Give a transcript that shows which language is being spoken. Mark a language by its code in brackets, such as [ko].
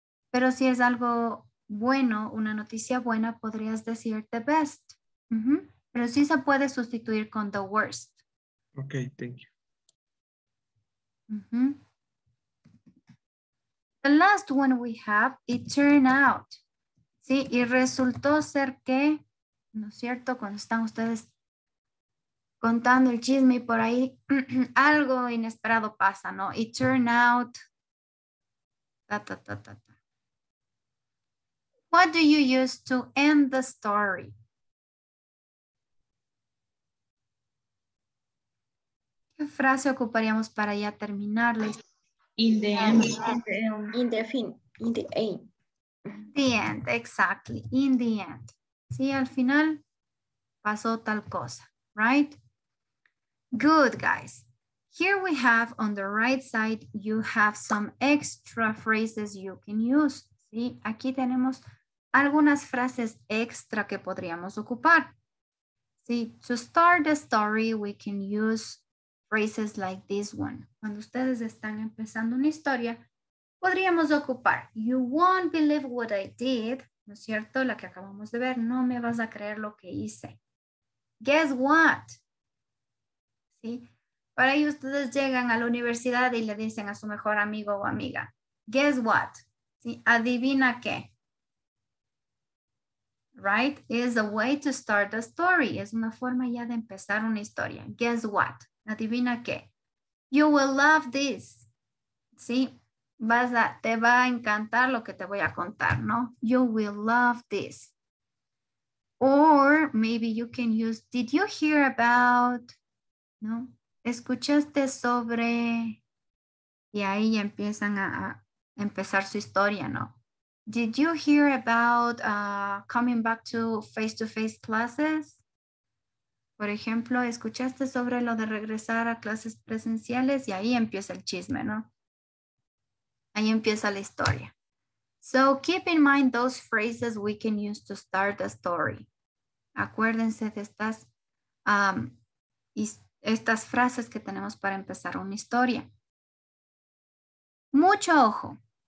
[es] Pero si es algo bueno, una noticia buena, podrías decir [en] the best. [es] Uh-huh. Pero sí se puede sustituir con [en] the worst. Ok, thank you. Mm-hmm. The last one we have, it turned out. [es] Sí, y resultó ser que, ¿no es cierto? Cuando están ustedes contando el chisme y por ahí, algo inesperado pasa, ¿no? [en] It turned out. Ta, ta, ta, ta, ta. What do you use to end the story? [es] ¿Qué frase ocuparíamos para ya terminarla? [en] In the end. The end, exactly. In the end. [es] Sí, al final pasó tal cosa, [en] right? Good, guys. Here we have on the right side, you have some extra phrases you can use. [es] Sí, aquí tenemos algunas frases extra que podríamos ocupar. Sí, [en] to start the story, we can use phrases like this one. [es] Cuando ustedes están empezando una historia, podríamos ocupar, [en] you won't believe what I did, [es] ¿no es cierto? La que acabamos de ver, no me vas a creer lo que hice. Guess what? ¿Sí? Por ahí ustedes llegan a la universidad y le dicen a su mejor amigo o amiga, [en] guess what? [es] ¿Sí? Adivina qué. [en] Right? Is a way to start a story. [es] Es una forma ya de empezar una historia. [en] Guess what? [es] Adivina qué. [en] You will love this. [es] ¿Sí? Te va a encantar lo que te voy a contar, ¿no? [en] You will love this. Or maybe you can use, did you hear about, [es] ¿no? ¿Escuchaste sobre? Y ahí empiezan a empezar su historia, ¿no? [en] Did you hear about coming back to face-to-face classes? [es] Por ejemplo, ¿escuchaste sobre lo de regresar a clases presenciales? Y ahí empieza el chisme, ¿no? Ahí empieza la historia. [en] So keep in mind those phrases we can use to start a story. [es] Acuérdense de estas frases que tenemos para empezar una historia. Mucho ojo.